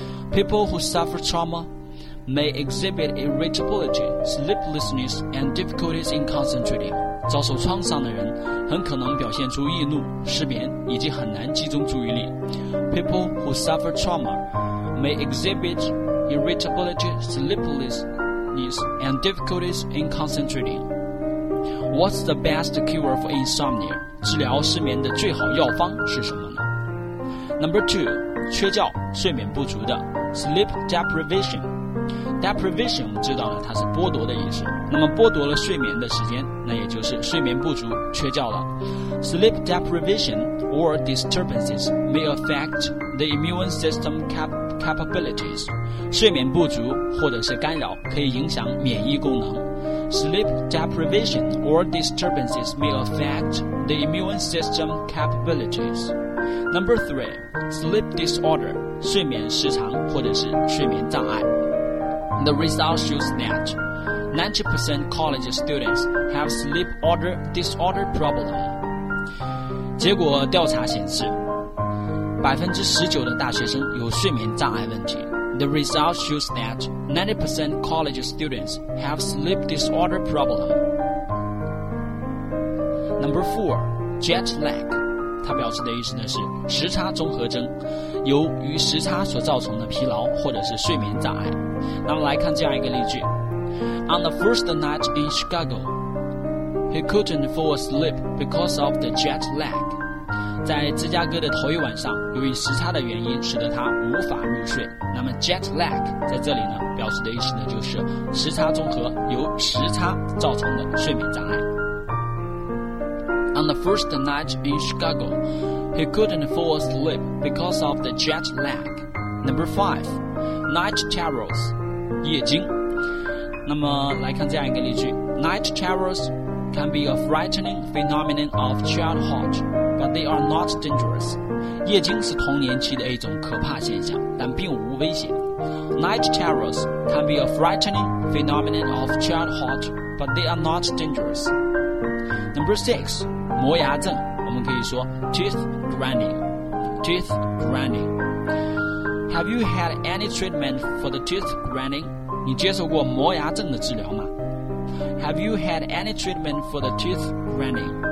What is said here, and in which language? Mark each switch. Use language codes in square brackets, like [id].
[en] People who suffer trauma may exhibit irritability, sleeplessness and difficulties in concentrating。 [zh] 遭受创伤的人很可能表现出易怒、失眠以及很难集中注意力。 [en] People who suffer trauma may exhibit irritability, sleeplessness and difficulties in concentrating。 What's the best cure for insomnia? [zh] 治疗失眠的最好药方是什么呢？ [en] Number two， [zh] 缺觉，睡眠不足的 [en] sleep deprivation。 [zh] Deprivation 我们知道了它是剥夺的意思，那么剥夺了睡眠的时间，那也就是睡眠不足缺觉了。 [en] Sleep deprivation or disturbances may affect the immune system capabilities。 [zh] 睡眠不足或者是干扰可以影响免疫功能。 [en] Sleep deprivation or disturbances may affect the immune system capabilities. Number three, sleep disorder, [zh] 睡眠失常或者是睡眠障碍。 [en] The result shows that 90% college students have sleep disorder problem. [zh] 结果调查显示 ,19% 的大学生有睡眠障碍问题。 [en] The result shows that 90% college students have sleep disorder problem. Number four, jet lag. [zh] 它表示的意思呢是时差综合症，由于时差所造成的疲劳或者是睡眠障碍。那么来看这样一个例句 [en] On the first night in Chicago, he couldn't fall asleep because of the jet lag. [zh] 在芝加哥的头一晚上，由于时差的原因使得他无法入睡。那么 jet lag 在这里呢表示的意思呢就是时差综合，由时差造成的睡眠障碍。 [en] On the first night in Chicago, he couldn't fall asleep because of the jet lag. Number five, night terrors, 夜惊。 [zh] 那么来看这样一个例句 [en] Night terrors can be a frightening phenomenon of childhood, but they are not dangerous. [zh] 夜惊是童年期的一种可怕现象，但并无危险。 [en] Night terrors can be a frightening phenomenon of childhood, but they are not dangerous. Number six, [zh] 磨牙症，我们可以说 [en] teeth grinding. Teeth grinding. Have you had any treatment for the teeth grinding? [zh] 你接受过磨牙症的治疗吗？ [en] Have you had any treatment for the teeth grinding?